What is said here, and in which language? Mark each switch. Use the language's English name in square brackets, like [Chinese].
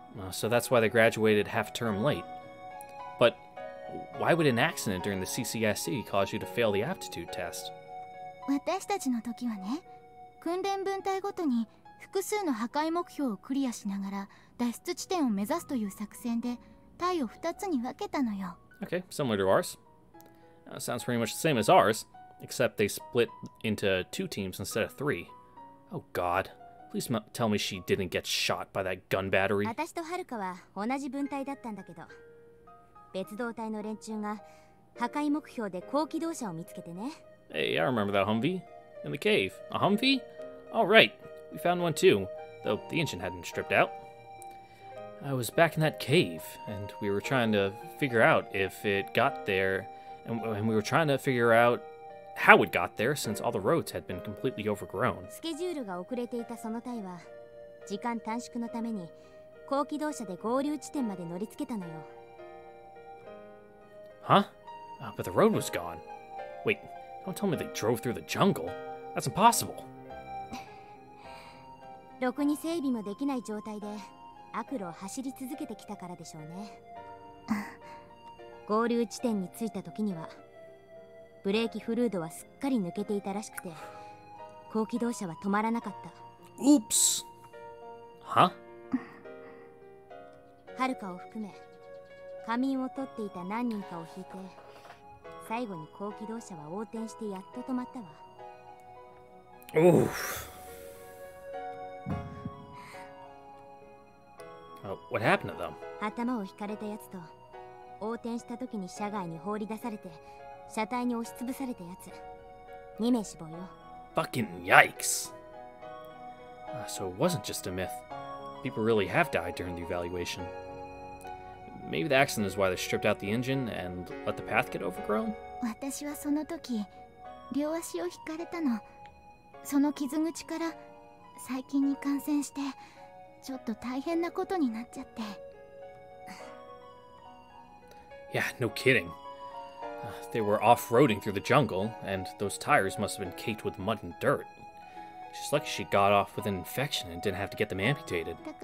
[English] So that's why they graduated half term late. But why would an accident during the CCSE cause you to fail the aptitude test? [Japanese] 私たちの時はね、訓練分隊ごとに複数の破壊目標をクリアしながら脱出地点を目指すという作戦で隊を2つに分けたのよ。 [English] Okay, similar to ours. Sounds pretty much the same as ours, except they split into two teams instead of three. Oh god. Please tell me she didn't get shot by that gun battery. [Japanese] 私とハルカは同じ分隊だったんだけど、別動隊の連中が破壊目標で高機動車を見つけてね。 [English] Hey, I remember that Humvee. In the cave. A Humvee? All right. We found one too, though the engine hadn't stripped out. I was back in that cave, and we were trying to figure out if it got there, and we were trying to figure out how it got there, since all the roads had been completely overgrown. [Japanese] スケジュールが遅れていたその隊は、時間短縮のために、高機動車で合流地点まで乗りつけたのよ。 [English] Huh? But the road was gone. Wait, don't tell me they drove through the jungle. That's impossible. [Japanese] ろくに整備もできない状態で、悪路を走り続けてきたからでしょうね。合流地点に着いた時には、ブレーキフルードはすっかり抜けていたらしくて、高機動車は止まらなかった。 [English] Oops! Huh? [Japanese] ハルカを含め、仮眠を取っていた何人かを引いて、最後に高機動車は横転してやっと止まったわ。 [English] Oof! What happened to them? [Japanese] 頭を引かれたやつと、横転した時に車外に放り出されて、車体に押しつぶされたやつ。 2名死亡よ。 [English] Fucking yikes! So it wasn't just a myth. People really have died during the evaluation. Maybe the accident is why they stripped out the engine and let the path get overgrown? [Japanese] 私はその時、両足を引かれたの。その傷口から、細菌に感染して、ちょっと大変なことになっちゃって。 [English] Yeah, no kidding. They were off-roading through the jungle, and those tires must have been caked with mud and dirt. She's lucky she got off with an infection and didn't have to get them amputated.